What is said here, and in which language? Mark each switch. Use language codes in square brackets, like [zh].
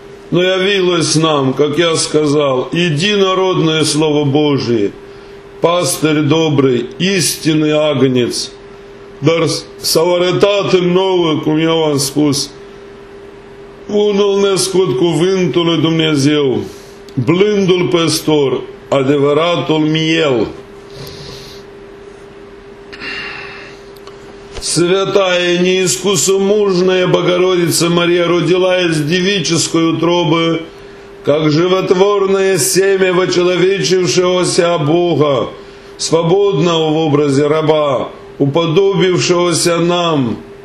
[ru] Но явилось нам, как я сказал, единородное Слово Божие, пастырь добрый, истинный агнец. [ro] Дар s-au arătat în nouă, cum eu am spus, unul născut cuvântului Dumnezeu, blândul păstor, adevăratul miel. [ru] Святая неискусомужная Богородица Мария родила из девической утробы, как животворное семя вочеловечившегося Бога, свободного в образе раба, уподобившегося нам,